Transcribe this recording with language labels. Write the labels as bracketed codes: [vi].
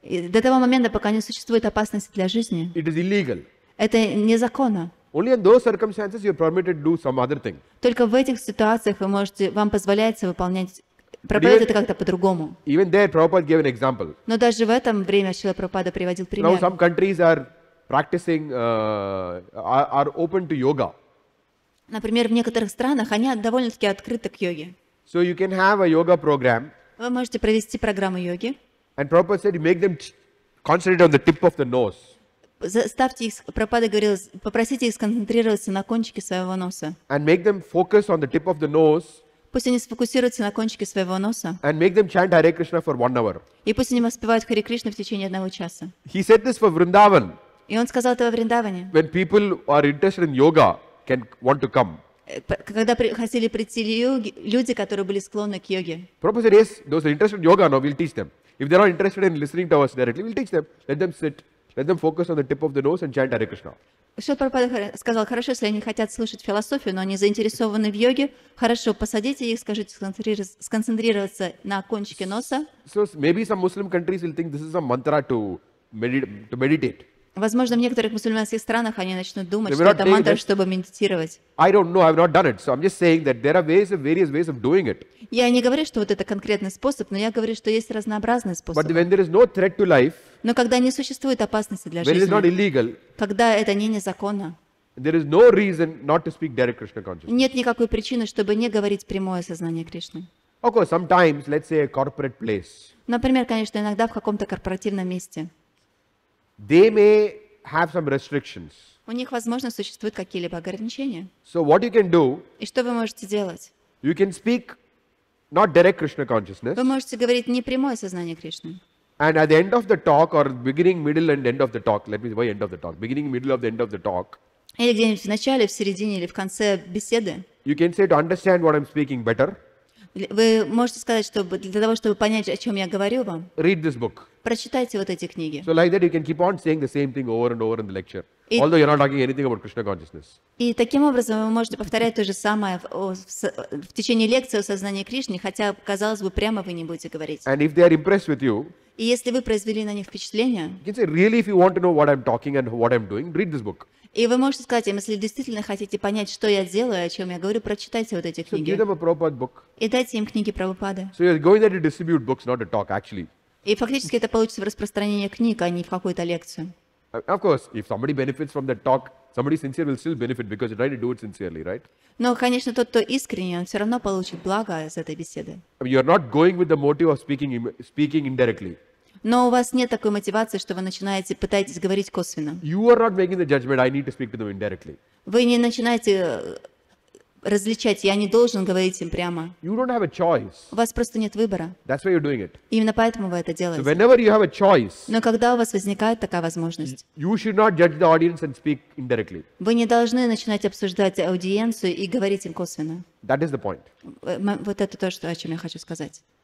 [ru] до того момента, пока не существует опасности для жизни, [en] it is illegal. [ru] Это незаконно. [en] Only in those circumstances you are permitted to do some other thing. [ru] Только в этих ситуациях вам позволяется проповедовать это как-то по-другому. [en] Even there, Prabhupada gave an example. [ru] Но даже в этом время Шрила Прабхупада приводил пример. [en] Now some countries are open to yoga. [ru] Например, в некоторых странах они довольно-таки открыты к йоге. [en] So you can have a yoga program. [ru] Вы можете провести программу йоги. [en] And Prabhupada said, make them concentrate on the tip of the nose. [ru] Заставьте их, Прабхупада говорил, попросите их сконцентрироваться на кончике своего носа. [en] And make them focus on the tip of the nose. [ru] Пусть они сфокусируются на кончике своего носа. [en] And make them chant Hare Krishna for 1 hour. [ru] И пусть они воспевают Харе Кришну в течение 1 часа. [en] He said this for Vrindavan. [ru] И он сказал это во Вриндаване. [en] When people are interested in yoga, can want to come. [ru] Когда хотели прийти люди, которые были склонны к йоге. [en] Prabhupada said, yes, those are interested in yoga, no, we'll teach them. If they're not interested in listening to us directly, we'll teach them. Let them sit. Let them focus on the tip of the nose and chant Hare Krishna. [ru] Шрила Прабхупада сказал, хорошо, если они хотят слушать философию, но они заинтересованы в йоге, хорошо, посадите их, скажите сконцентрироваться на кончике носа. [en] So maybe some Muslim countries will think this is a mantra to meditate. [ru] Возможно, в некоторых мусульманских странах они начнут думать, что это мантра, чтобы медитировать. [en] I don't know, I've not done it. So I'm just saying that there are ways, various ways of doing it. [ru] Я не говорю, что вот это конкретный способ, но я говорю, что есть разнообразные способы. [en] But when there is no threat to life, [ru] но когда не существует опасности для [en] when [ru] жизни, [en] it is not illegal, [ru] когда это не незаконно, [en] there is no reason not to speak direct Krishna consciousness. [ru] Нет никакой причины, чтобы не говорить прямое сознание Кришны. [en] Okay, sometimes, let's say a corporate place. [ru] Например, конечно, иногда в каком-то корпоративном месте. [en] They may have some restrictions. [ru] У них, возможно, существуют какие-либо ограничения. [en] So what you can do? [ru] И что вы можете делать? [en] You can speak not direct Krishna consciousness. [ru] Вы можете говорить не прямое сознание Кришны. [en] And at the end of the talk, or beginning, middle, and end of the talk. Let me say, why end of the talk? Beginning, middle, of the end of the talk. [ru] Или где-нибудь в начале, в середине или в конце беседы. [en] You can say to understand what I'm speaking better. [ru] Вы можете сказать, чтобы для того, чтобы понять, о чем я говорю вам. [en] Read this book. [ru] Прочитайте вот эти книги. [en] So like that you can keep on saying the same thing over and over in the lecture, although you're not talking anything about Krishna consciousness. [ru] И таким образом вы можете повторять то же самое в течение лекции о сознании Кришны, хотя казалось бы прямо вы не будете говорить. [en] And if they are impressed with you. [ru] И если вы произвели на них впечатление. [en] You can say really if you want to know what I'm talking and what I'm doing, read this book. [ru] И вы можете сказать им, если действительно хотите понять, что я делаю, о чем я говорю, прочитайте вот эти книги. [en] So give them a Prabhupada book. [ru] И дайте им книги Прабхупады. [en] So you're going there to distribute books, not to talk, actually. [ru] И фактически это получится в распространении книг, а не в какую-то лекцию. [en] Of course, if somebody benefits from that talk, somebody sincere will still benefit because you're trying to do it sincerely, right? [ru] Но, конечно, тот, кто искренний, он все равно получит благо из этой беседы. [en] I mean, you're not going with the motive of speaking indirectly. [ru] Но у вас нет такой мотивации, что вы начинаете, пытаетесь говорить косвенно. [en] You are not making the judgment, I need to speak to them indirectly. [ru] Вы не начинаете различать, я не должен говорить им прямо. [en] You don't have a choice. [ru] У вас просто нет выбора. [en] That's why you're doing it. [ru] Именно поэтому вы это делаете. [en] So whenever you have a choice, [ru] но когда у вас возникает такая возможность, [en] you should not judge the audience and speak indirectly. [ru] Вы не должны начинать обсуждать аудиенцию и говорить им косвенно. [en] That is the point. [ru] Вот это то, о чем я хочу сказать.